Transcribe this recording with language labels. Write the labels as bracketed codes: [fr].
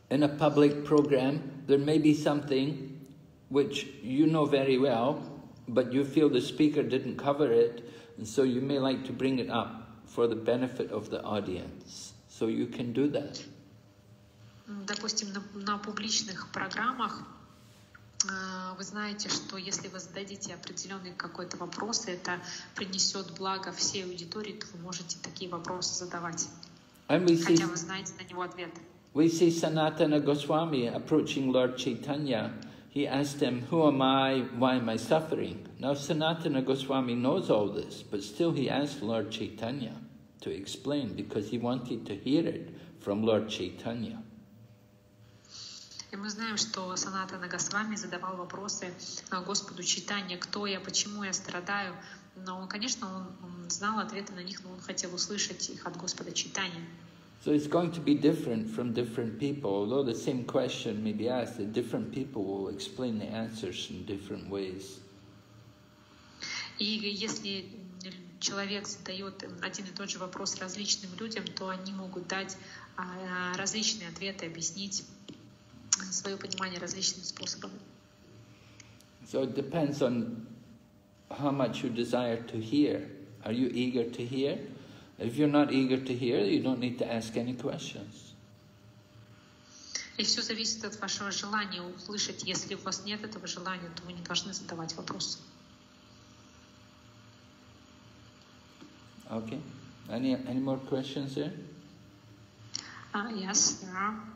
[en] In a public program, there may be something which you know very well, but you feel the speaker didn't cover it, and so you may like to bring it up for the benefit of the audience. So you can do that. [ru] Допустим, на публичных программах вы знаете, что если вы зададите определенный какой-то вопрос, это принесет благо всей аудитории, то вы можете такие вопросы задавать. [en] And we see, [ru] хотя вы знаете на него ответ. [en] We see Sanatana Goswami approaching Lord Chaitanya. He asked him, who am I, why am I suffering? Now Sanatana Goswami knows all this, but still he asked Lord Chaitanya to explain because he wanted to hear it from Lord Chaitanya. [ru] И мы знаем, что Санатана Госвами задавал вопросы Господу Чайтанья, кто я, почему я страдаю. Но, конечно, он знал ответы на них, но он хотел услышать их от Господа Чайтанья. [en] So it's going to be different from different people. Although the same question may be asked, the different people will explain the answers in different ways. [ru] И если человек задает один и тот же вопрос различным людям, то они могут дать различные ответы, объяснить свое понимание различным способом. [en] So it depends on how much you desire to hear. Are you eager to hear? If you're not eager to hear, you don't need to ask any questions. [ru] И все зависит от вашего желания услышать. Если у вас нет этого желания, то вы не должны задавать вопросы. [en] Okay. Any more questions here? Yes, there are.